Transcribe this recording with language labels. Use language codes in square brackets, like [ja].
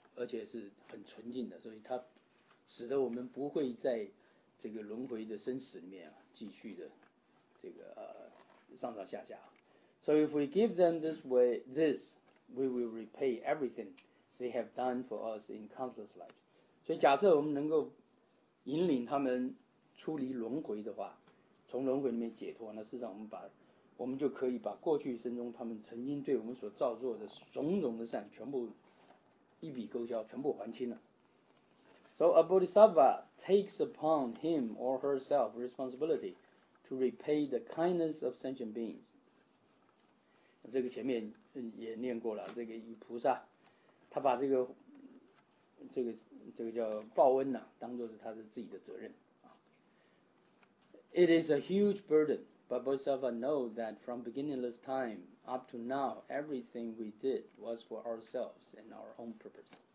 [zh] 而且是很纯净的，所以它使得我们不会在这个轮回的生死里面、继续的这个上上下下。 [en] So if we give them this way, this we will repay everything they have done for us in countless lives. [zh] 所以假设我们能够引领他们出离轮回的话，从轮回里面解脱，那事实上我们就可以把过去生中他们曾经对我们所造作的种种的善全部一笔勾销，全部还清了。 [en] So a bodhisattva takes upon him or herself responsibility to repay the kindness of sentient beings. [zh] 这个前面也念过了，这个菩萨他把这个这个叫报恩呐、啊，当作是他的自己的责任。 [en] It is a huge burden, but Bodhisattva know that from beginningless time up to now, everything we did was for ourselves and our own purpose.